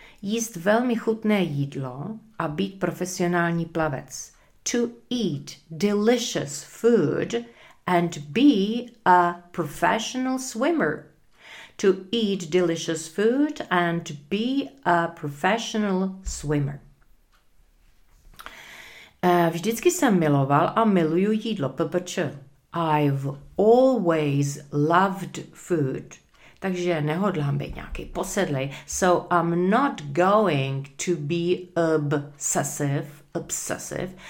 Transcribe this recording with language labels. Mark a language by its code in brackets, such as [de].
[cs] Jíst velmi chutné jídlo a být profesionální plavec. [en] To eat delicious food and be a professional swimmer. To eat delicious food and be a professional swimmer. [cs] Vždycky jsem miloval a miluju jídlo. PPČ. [en] I've always loved food. [cs] Takže nehodlám být nějaký posedlej. [en] So I'm not going to be obsessive,